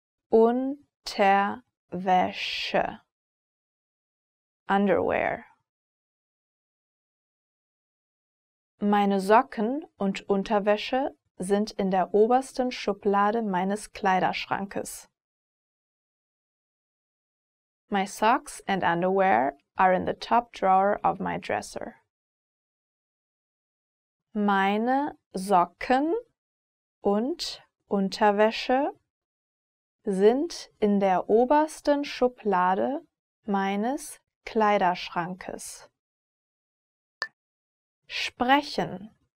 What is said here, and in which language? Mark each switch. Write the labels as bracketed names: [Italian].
[German] Unterwäsche. Underwear. Meine Socken und Unterwäsche sind in der obersten Schublade meines Kleiderschrankes. [English] My socks and underwear are in the top drawer of my dresser. [German] Meine Socken und Unterwäsche sind in der obersten Schublade meines Kleiderschrankes. Sprechen.